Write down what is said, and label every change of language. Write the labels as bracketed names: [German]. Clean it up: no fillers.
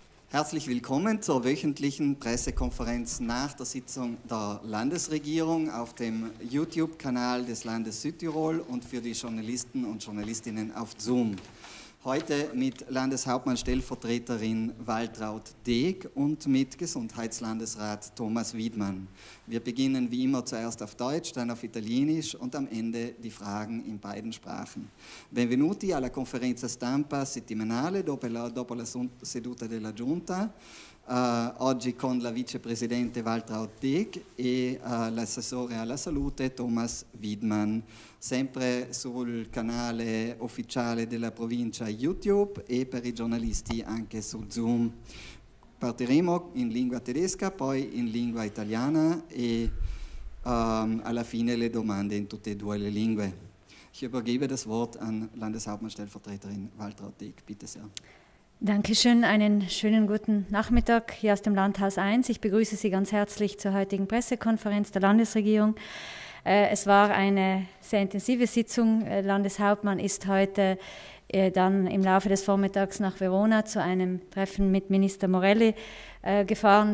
[German] Herzlich willkommen zur wöchentlichen Pressekonferenz nach der Sitzung der Landesregierung auf dem YouTube-Kanal des Landes Südtirol und für die Journalisten und Journalistinnen auf Zoom. Heute mit Landeshauptmann-Stellvertreterin Waltraud Deeg und mit Gesundheitslandesrat Thomas Wiedmann. Wir beginnen wie immer zuerst auf Deutsch, dann auf Italienisch und am Ende die Fragen in beiden Sprachen. [Italian] Benvenuti alla conferenza stampa settimanale dopo la seduta della Giunta. Oggi con la vicepresidente Waltraud Deeg e l'assessore alla salute Thomas Wiedmann, sempre sul canale ufficiale della provincia YouTube e per i giornalisti anche su Zoom. Partiremo in lingua tedesca, poi in lingua italiana e alla fine le domande in tutte e due le lingue. [German] Ich übergebe das Wort an Landeshauptmannstellvertreterin Waltraud Deeg, bitte sehr. Dankeschön, einen schönen guten Nachmittag hier aus dem Landhaus 1. Ich begrüße Sie ganz herzlich zur heutigen Pressekonferenz der Landesregierung. Es war eine sehr intensive Sitzung. Landeshauptmann ist heute dann im Laufe des Vormittags nach Verona zu einem Treffen mit Minister Morelli gefahren.